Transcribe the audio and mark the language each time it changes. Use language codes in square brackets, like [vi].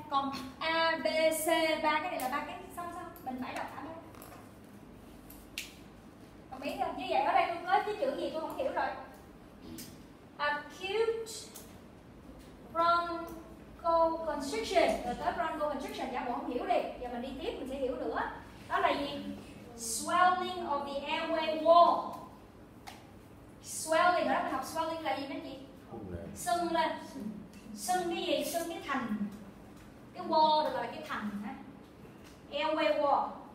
[vi] Còn A, B, C, ba cái này là ba cái song song, mình phải đọc cả ba. Còn biết không? Như vậy ở đây tôi có cái chữ gì tôi không hiểu rồi. Acute bronchoconstriction. Rồi tới bronchoconstriction giả bộ không hiểu đi. Giờ mình đi tiếp mình sẽ hiểu nữa. Đó là gì? [en] Swelling of the airway wall. [vi] Swelling, ở đó mình học swelling là gì mấy chị? Sưng lên. Sưng cái gì? Sưng cái thành. Cái wall được gọi là cái thành ha. Airway wall.